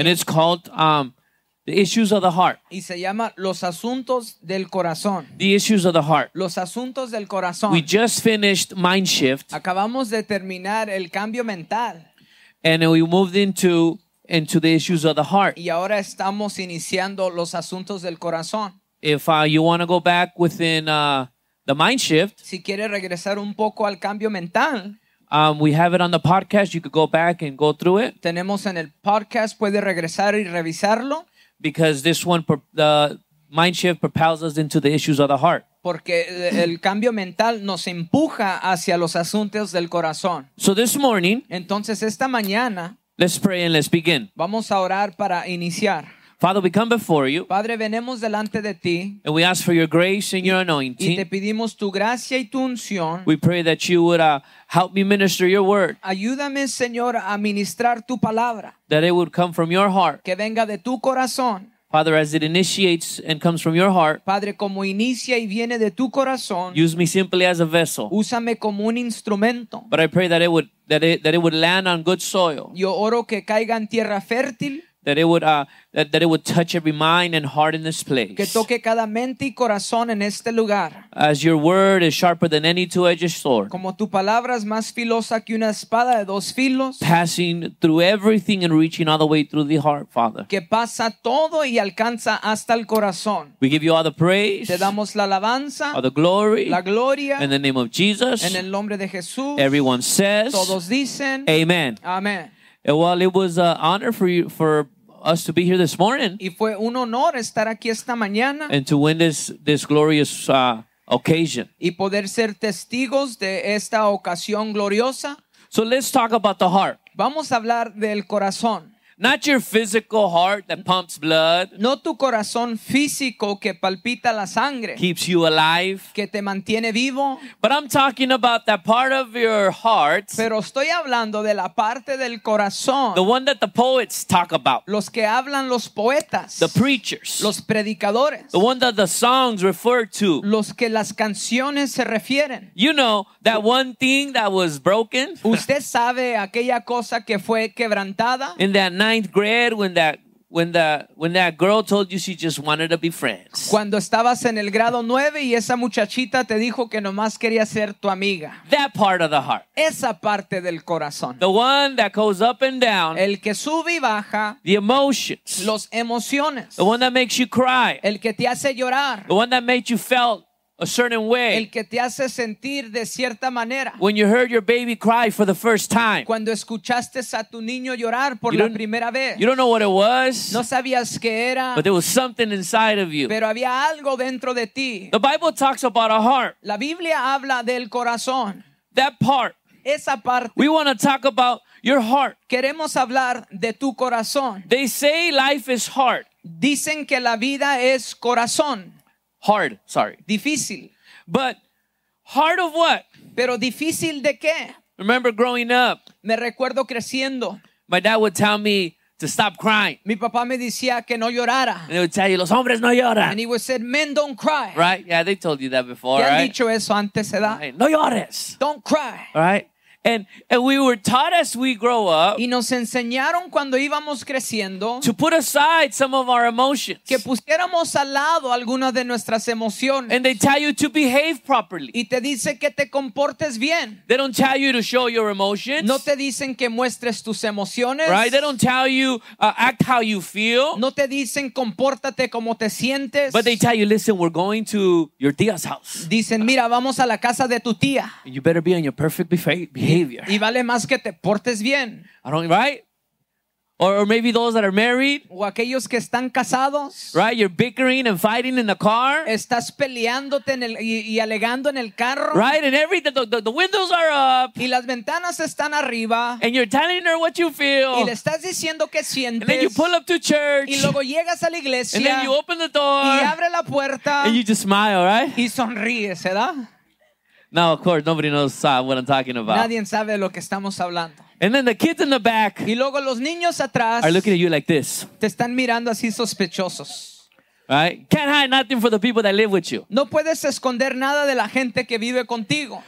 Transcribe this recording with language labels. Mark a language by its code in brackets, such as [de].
[en] And it's called The Issues of the Heart. [es] Y se llama Los Asuntos del Corazón. [en] The Issues of the Heart. [es] Los Asuntos del Corazón. [en] We just finished Mind Shift. [es] Acabamos de terminar el cambio mental. [en] And we moved into the Issues of the Heart. [es] Y ahora estamos iniciando Los Asuntos del Corazón. [en] If you want to go back within the Mind Shift, [es] si quiere regresar un poco al cambio mental, [en] we have it on the podcast. You could go back and go through it. [es] Tenemos en el podcast, puede regresar y revisarlo. [en] Because this one, the Mind Shift propels us into the Issues of the Heart. [es] Porque el cambio mental nos empuja hacia los asuntos del corazón. [en] So this morning, [es] entonces esta mañana, [en] let's pray and let's begin. [es] Vamos a orar para iniciar. [en] Father, we come before you. [es] Padre, venemos delante de ti. [en] And we ask for your grace and your anointing. [es] Y te pedimos tu gracia y tu unción. [en] We pray that you would help me minister your word. [es] Ayúdame, Señor, a ministrar tu palabra. [en] That it would come from your heart. [es] Que venga de tu corazón. [en] Father, as it initiates and comes from your heart. [es] Padre, como inicia y viene de tu corazón. [en] Use me simply as a vessel. [es] Úsame como un instrumento. [en] But I pray that it would land on good soil. [es] Yo oro que caiga en tierra fértil. [en] That it would touch every mind and heart in this place. [es] Que toque cada mente y corazón en este lugar. [en] As your word is sharper than any two-edged sword. [es] Como tu palabra es más filosa que una espada de dos filos. [en] Passing through everything and reaching all the way through the heart, Father. [es] Que pasa todo y alcanza hasta el corazón. [en] We give you all the praise. [es] Te damos la alabanza. [en] All the glory. [es] La gloria. [en] In the name of Jesus. [es] En el nombre de Jesús. [en] Everyone says. [es] Todos dicen. [en] Amen. [es] Amen. [en] Well, it was an honor for us to be here this morning. [es] Y fue un honor estar aquí esta mañana. [en] And to win this glorious occasion. [es] Y poder ser testigos de esta ocasión gloriosa. [en] So let's talk about the heart. [es] Vamos a hablar del corazón. [en] Not your physical heart that pumps blood. [es] No tu corazón físico que palpita la sangre. [en] Keeps you alive. [es] Que te mantiene vivo. [en] But I'm talking about that part of your heart. [es] Pero estoy hablando de la parte del corazón. [en] The one that the poets talk about. [es] Los que hablan los poetas. [en] The preachers. [es] Los predicadores. [en] The one that the songs refer to. [es] Los que las canciones se refieren. [en] You know, that one thing that was broken. [es] Usted sabe aquella cosa que fue quebrantada. [en] In that ninth grade when that girl told you she just wanted to be friends. [es] Cuando estabas en el grado 9 y esa muchachita te dijo que nomás quería ser tu amiga. [en] That part of the heart. [es] Esa parte del corazón. [en] The one that goes up and down. [es] El que sube y baja. [en] The emotions. [es] Los emociones. [en] The one that makes you cry. [es] El que te hace llorar. [en] The one that made you felt a certain way. [es] El que te hace sentir de cierta manera. [en] When you heard your baby cry for the first time. [es] Cuando escuchaste a tu niño llorar por la primera vez. [en] You don't know what it was. [es] No sabías qué era. [en] But there was something inside of you. [es] Pero había algo dentro de ti. [en] The Bible talks about a heart. [es] La Biblia habla del corazón. [en] That part. [es] Esa parte. [en] We want to talk about your heart. [es] Queremos hablar de tu corazón. [en] They say life is heart. [es] Dicen que la vida es corazón. [en] Hard, sorry. [es] Difícil. [en] But hard of what? [es] Pero difícil de qué? [en] Remember growing up. [es] Me recuerdo creciendo. [en] My dad would tell me to stop crying. [es] Mi papá me decía que no llorara. [en] And he would tell you, [es] los hombres no lloran. [en] And he would say, men don't cry. Right? Yeah, they told you that before, right? [es] ¿Te han dicho eso antes, edad? [en] Right. [es] No llores. [en] Don't cry. Right? And we were taught as we grow up. [es] Y nos enseñaron cuando íbamos creciendo. [en] To put aside some of our emotions. [es] Que pusiéramos al lado algunas de nuestras emociones. [en] And they tell you to behave properly. [es] Y te dice que te comportes bien. [en] They don't tell you to show your emotions. [es] No te dicen que muestres tus emociones. [en] Right? They don't tell you act how you feel. [es] No te dicen compórtate como te sientes. [en] But they tell you, listen, we're going to your tía's house. [es] Dicen, mira, vamos a la casa de tu tía. [en] You better be on your perfect behavior. [es] Y vale más que te portes bien. [en] I don't, right? Or maybe those that are married. [es] O aquellos que están casados. [en] Right? You're bickering and fighting in the car. [es] Estás peleándote en el, y alegando en el carro. [en] Right? And the windows are up. [es] Y las ventanas están arriba. [en] And you're telling her what you feel. [es] Y le estás diciendo qué sientes. [en] And then you pull up to church. [es] Y luego llegas a la iglesia. [en] And then you open the door. [es] Y abre la puerta. [en] And you just smile, right? [es] Y sonríes, ¿verdad? [en] Now, of course, nobody knows what I'm talking about. [es] Nadie sabe lo que estamos hablando. [en] And then the kids in the back, [es] y luego los niños atrás, [en] are looking at you like this. [es] Te están mirando así sospechosos. [en] Right? Can't hide nothing from the people that live with you. [es] No puedes esconder nada de la gente que vive contigo.